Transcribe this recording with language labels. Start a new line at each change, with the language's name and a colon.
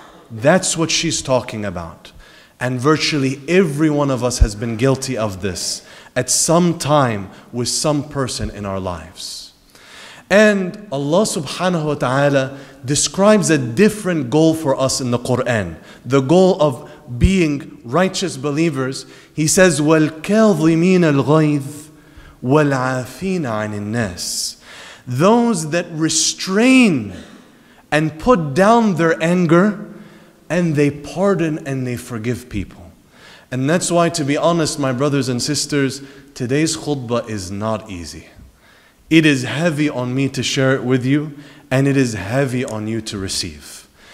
English: That's what she's talking about. And virtually every one of us has been guilty of this at some time with some person in our lives. And Allah subhanahu wa ta'ala describes a different goal for us in the Quran. The goal of being righteous believers. He says,
Arabic: وَالْكَاظِمِينَ الْغَيْظِ وَالْعَافِينَ عَنِ النَّاسِ.
English: Those that restrain and put down their anger, and they pardon and they forgive people. And that's why, to be honest, my brothers and sisters, today's khutbah is not easy. It is heavy on me to share it with you, and it is heavy on you to receive.